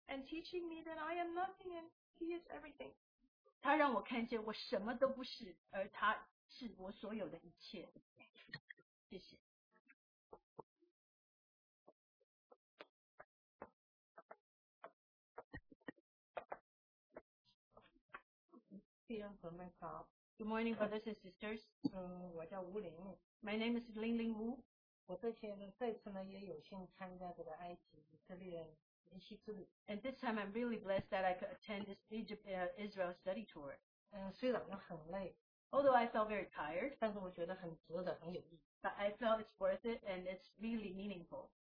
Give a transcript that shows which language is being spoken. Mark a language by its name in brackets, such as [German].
[English] And teaching me that I am nothing and He is everything. [Chinese] 他让我看见我什么都不是，而他是我所有的一切。谢谢。 [English] Good morning, brothers and sisters. My name is Ling Ling Wu. [Chinese] 我这次呢也有幸参加这个埃及以色列研习之旅。 [English] And this time I'm really blessed that I could attend this Egypt-Israel study tour. [Chinese] 虽然很累, [English] although I felt very tired, [Chinese] 但是我觉得很值得, [English] but I felt it's worth it and it's really meaningful.